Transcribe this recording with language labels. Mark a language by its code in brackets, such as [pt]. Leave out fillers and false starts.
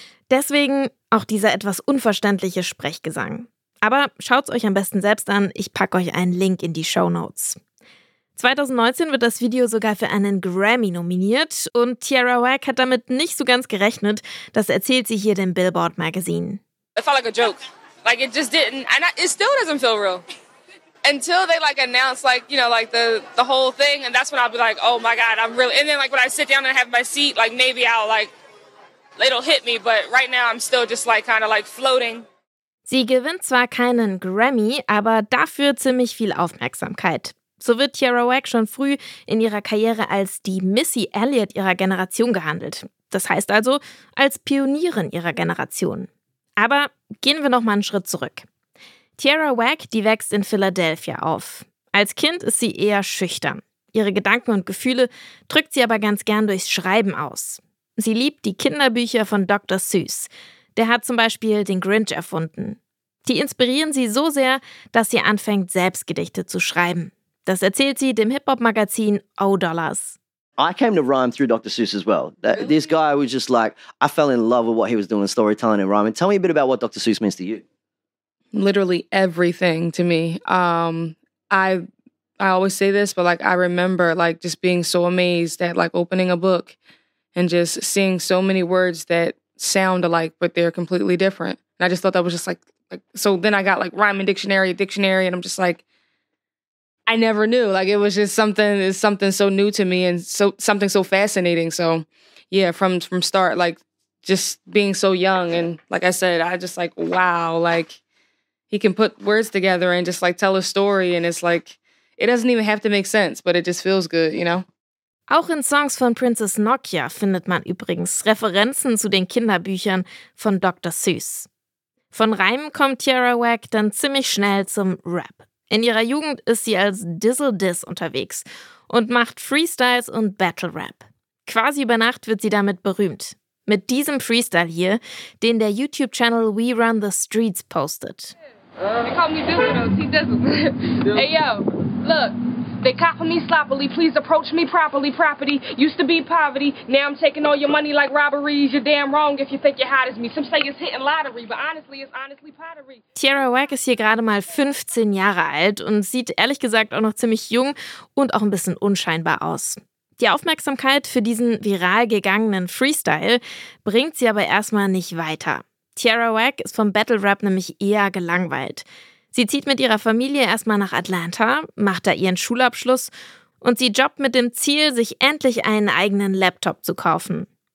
[de] Deswegen auch dieser etwas unverständliche Sprechgesang. Aber schaut's euch am besten selbst an, ich packe euch einen Link in die Shownotes. 2019 wird das Video sogar für einen Grammy nominiert und Tierra Whack hat damit nicht so ganz gerechnet. Das erzählt sie hier dem Billboard Magazine. [en] It felt like a joke. Like it just didn't, it still doesn't feel real. Until they like announce like, you know, like the whole thing, and that's when I'll be like, oh my God, I'm really, and then like when I sit down and have my seat, like maybe I'll like, it'll hit me, but right now I'm still just like kind of like floating. [de] Sie gewinnt zwar keinen Grammy, aber dafür ziemlich viel Aufmerksamkeit. So wird Tierra Whack schon früh in ihrer Karriere als die Missy Elliott ihrer Generation gehandelt. Das heißt also, als Pionierin ihrer Generation. Aber gehen wir nochmal einen Schritt zurück. Tierra Whack, die wächst in Philadelphia auf. Als Kind ist sie eher schüchtern. Ihre Gedanken und Gefühle drückt sie aber ganz gern durchs Schreiben aus. Sie liebt die Kinderbücher von Dr. Seuss. Der hat zum Beispiel den Grinch erfunden. Die inspirieren sie so sehr, dass sie anfängt, selbst Gedichte zu schreiben. Das erzählt sie dem Hip-Hop-Magazin O$. [en] I came to rhyme through Dr. Seuss as well. Really? This guy was just like, I fell in love with what he was doing, storytelling and rhyming. Tell me a bit about what Dr. Seuss means to you. Literally everything to me. I always say this, but like I remember like just being so amazed at like opening a book and just seeing so many words that sound alike, but they're completely different. And I just thought that was just like so then I got like rhyming dictionary, and I'm just like, I never knew. Like it was just something so new to me and something so fascinating. So yeah, from start, like just being so young and like I said, I just like, wow, like he can put words together and just like tell a story and it's like it doesn't even have to make sense, but it just feels good, you know? [de] Auch in Songs von Princess Nokia findet man übrigens Referenzen zu den Kinderbüchern von Dr. Seuss. Von Reimen kommt Tierra Whack dann ziemlich schnell zum Rap. In ihrer Jugend ist sie als Dizzle Diss unterwegs und macht Freestyles und Battle Rap. Quasi über Nacht wird sie damit berühmt. Mit diesem Freestyle hier, den der YouTube-Channel We Run The Streets postet. [en] They call me Dizzle, though. T-Dizzle. Hey, yo, look. They copping me sloppily, please approach me properly, property. Used to be poverty, now I'm taking all your money like robberies. You're damn wrong if you think you're hot as me. Some say it's hitting lottery, but honestly, it's honestly pottery. [de] Tierra Whack ist hier gerade mal 15 Jahre alt und sieht ehrlich gesagt auch noch ziemlich jung und auch ein bisschen unscheinbar aus. Die Aufmerksamkeit für diesen viral gegangenen Freestyle bringt sie aber erstmal nicht weiter. Tierra Whack ist vom Battle Rap nämlich eher gelangweilt. Sie zieht mit ihrer Familie erstmal nach Atlanta, macht da ihren Schulabschluss und sie jobbt mit dem Ziel, sich endlich einen eigenen Laptop zu kaufen.